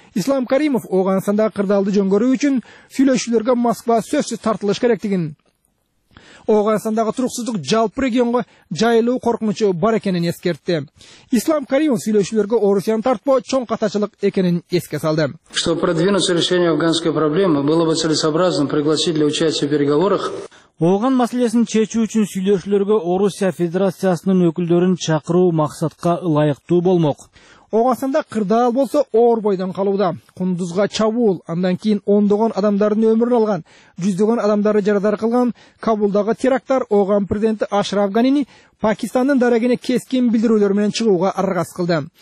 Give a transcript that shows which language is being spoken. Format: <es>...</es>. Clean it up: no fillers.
<ky>Ислам Каримов Ооганстандагы кырдаалды жөнгөрүү үчүн сүйлөшүүлөргө Москва сөзсүз тартылыш керектигин, Ооганстандагы туруксуздук жалпы регионго жайылуу коркунучу бар экенин эскертти. Ислам Каримов сүйлөшүүлөргө Орусияны тартпоо чоң катачылык экенин эске салды.</ky> <ru>Чтобы продвинуть решение афганской проблемы, было бы целесообразно пригласить для участия в переговорах.</ru> <ky>Ооган маселесин чечүү үчүн сүйлөшүүлөргө Орусия Федерациясынын өкүлдөрүн чакыруу максатка ылайыктуу болмок. Ооганстанда кырдаал болсо оор бойдон калууда. Кундузга чабуул, андан кийин ондогон адамдардын өмүрүн алган, жүздөгөн адамдарды жарадар кылган Кабулдагы терактар Ооган президенти Ашраф Ганини Пакистандын дарегине кескин билдирүүлөр менен чыгууга аргас кылды.</ky>